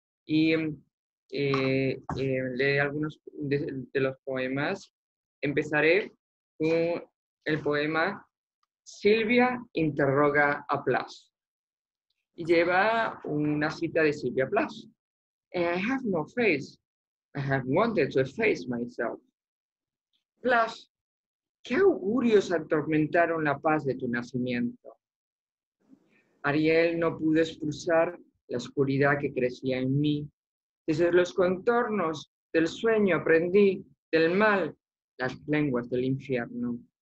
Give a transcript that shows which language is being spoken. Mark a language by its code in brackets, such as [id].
[es] Y leeré algunos de los poemas. Empezaré con el poema Silvia interroga a Plas. Y lleva una cita de Silvia Plas. [en] I have no face. I have wanted to efface myself. [es] Plas, ¿qué augurios atormentaron la paz de tu nacimiento? Ariel no pudo expulsar la oscuridad que crecía en mí. Desde los contornos del sueño aprendí del mal las lenguas del infierno.